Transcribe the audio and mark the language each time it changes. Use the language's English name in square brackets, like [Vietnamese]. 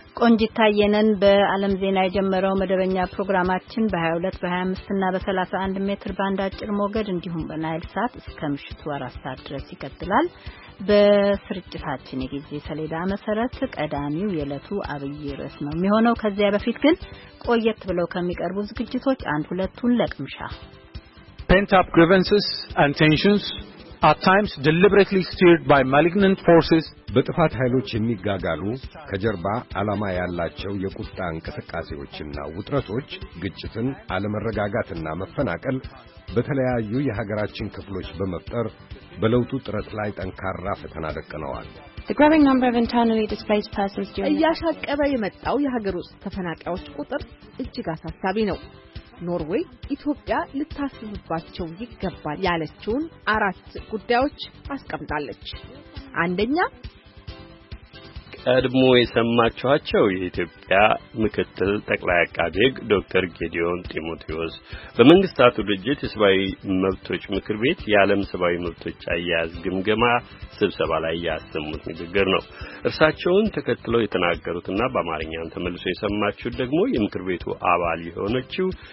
[Amharic] ቆንጂት ታየነን። በአለም ዜና የጀመረው መደበኛ ፕሮግራማችን በ22 በ25 እና በ31 ሜትር ባንድ አጭር ሞገድ እንዲሁም በናይል ሳት እስከ ምሽቱ 4 ሰዓት ድረስ ይቀጥላል። በስርጭታችን የጊዜ ሰሌዳ መሰረት ቀዳሚው የዕለቱ አብይ ርዕስ ነው የሚሆነው። ከዚያ በፊት ግን ቆየት ብለው ከሚቀርቡ ዝግጅቶች አንድ ሁለቱን ለቅምሻ። [English] Pent up grievances and tensions at times deliberately steered by malignant forces [Amharic] በጥፋት ኃይሎች የሚጋጋሉ ከጀርባ ዓላማ ያላቸው የቁጣ እንቅስቃሴዎችና ውጥረቶች ግጭትን አለመረጋጋትና መፈናቀል በተለያዩ የሀገራችን ክፍሎች በመፍጠር በለውጡ ጥረት ላይ ጠንካራ ፈተና ደቅነዋል። [English] The growing number of internally displaced persons during [Amharic] እያሻቀበ የመጣው የሀገር ውስጥ ተፈናቃዮች ቁጥር እጅግ አሳሳቢ ነው። ኖርዌይ ኢትዮጵያ ልታስብባቸው ይገባል ያለችውን 4 ጉዳዮች አስቀምጣለች። አንደኛ ቀድሞ የሰማችኋቸው የኢትዮጵያ ምክትል ጠቅላይ አቃቤ ሕግ ዶክተር ጌዲዮን ጢሞቴዎስ በመንግስታቱ ድርጅት የሰብአዊ መብቶች ምክር ቤት የዓለም ሰብአዊ መብቶች አያያዝ ግምገማ ስብሰባ ላይ ያሰሙት ንግግር ነው። እርሳቸውን ተከትለው የተናገሩትና በአማርኛም ተመልሶ የሰማችሁት ደግሞ የምክር ቤቱ አባል የሆነችው